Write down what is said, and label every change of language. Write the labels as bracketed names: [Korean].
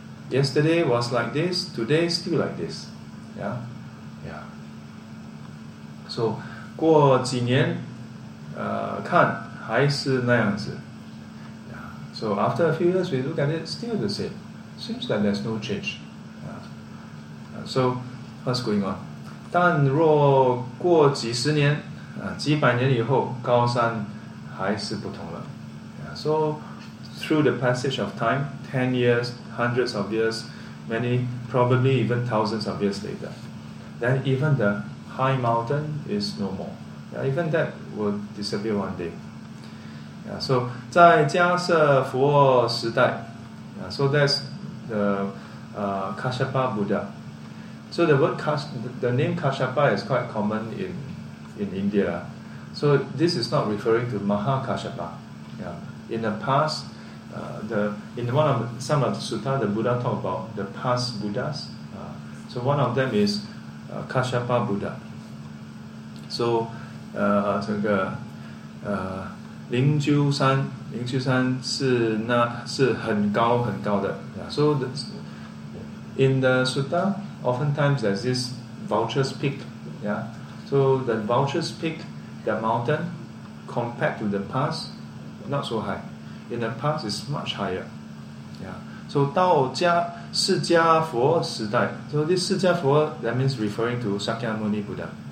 [English] Yesterday was like this, today still like this. Yeah? Yeah. [Chinese] So, 过几年看还是那样子。 [English] Yeah. So, after a few years, we look at it, still the same. Seems like there's no change. Yeah. So, what's going on? [Chinese] 但若过几十年几百年以后高山还是不同了。 [English] Yeah. So, through the passage of time, 10 years,hundreds of years, many, probably even thousands of years later. Then even the high mountain is no more. Yeah, even that will disappear one day. Yeah, so, [Chinese] 在迦瑟佛时代, [English] yeah, so that's the Kashyapa Buddha. So the word the name Kashyapa is quite common in India. So this is not referring to Maha Kashyapa. Yeah, in the past,some of the sutta, the Buddha talk about the past Buddhas. So one of them is Kashyapa Buddha. [Chinese] So, 这个灵鹫山是那是很高很高的。 [English] Yeah. So in the sutta, oftentimes there's this Vulture's Peak. Yeah. So the Vulture's Peak, the mountain, compared to the past, not so high. In the past, it's much higher. Yeah. So, [Chinese] 道家释迦佛时代 [English] So, this 释迦佛 that means referring to Shakyamuni Buddha.